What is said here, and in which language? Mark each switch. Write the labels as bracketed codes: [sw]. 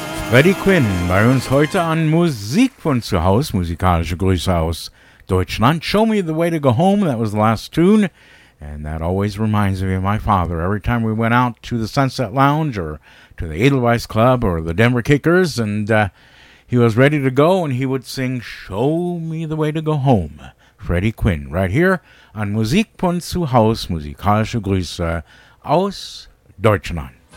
[de] Freddy Quinn bei uns heute an Musik von zu Hause, musikalische Grüße aus Deutschland. [en] Show me the way to go home, that was the last tune. And that always reminds me of my father. Every time we went out to the Sunset Lounge or to the Edelweiss Club or the Denver Kickers, and he was ready to go and he would sing, Show me the way to go home, Freddy Quinn. Right here on Musik von zu Hause, musikalische Grüße aus Deutschland.